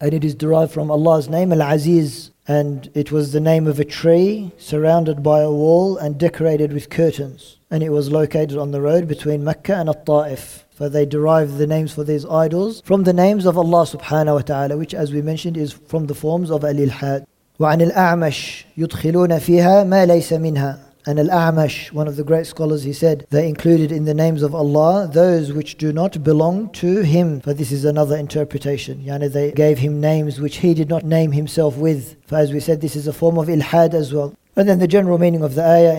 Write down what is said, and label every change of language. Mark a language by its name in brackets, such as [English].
[English] And it is derived from Allah's name Al-Aziz. And it was the name of a tree surrounded by a wall and decorated with curtains. And it was located on the road between Mecca and al-Ta'if. For they derive the names for these idols from the names of Allah subhanahu wa ta'ala, which as we mentioned is from the forms of al-ilhad. [Arabic] وعن الأعمش يدخلون فيها ما ليس منها. [English] And al-A'mash, one of the great scholars, he said, they included in the names of Allah those which do not belong to Him. For this is another interpretation. Yani they gave Him names which He did not name Himself with. For as we said, this is a form of ilhad as well. And then the general meaning of the ayah.